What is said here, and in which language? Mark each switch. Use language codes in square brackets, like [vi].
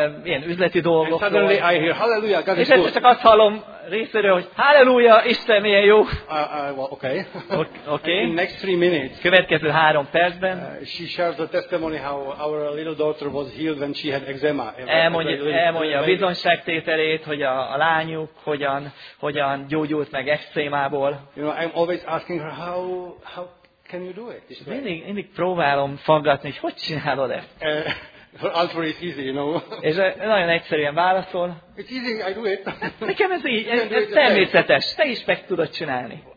[hu] Ilyen üzleti dolgokról. [en] And suddenly I hear, hallelujah, God is good. [hu] És csak azt hallom részéről, hogy hallelujah, Isten milyen jó. [en] Okay. In next 3 minutes. [hu] Következő 3 percben. [en] She shares the testimony how our little daughter was healed when she had eczema. [hu] Elmondja a bizonyságtételét, hogy a lányuk hogyan gyógyult meg eczémából. [en] You know, I'm always asking her how can you do it? [hu] Mindig próbálom faggatni, hogy csinálod ezt. [en] Her answer is easy, you know. [hu] És nagyon egyszerűen válaszol. [en] It's easy, I do it. [hu] Nekem ez így, ez természetes. Te is meg tudod csinálni.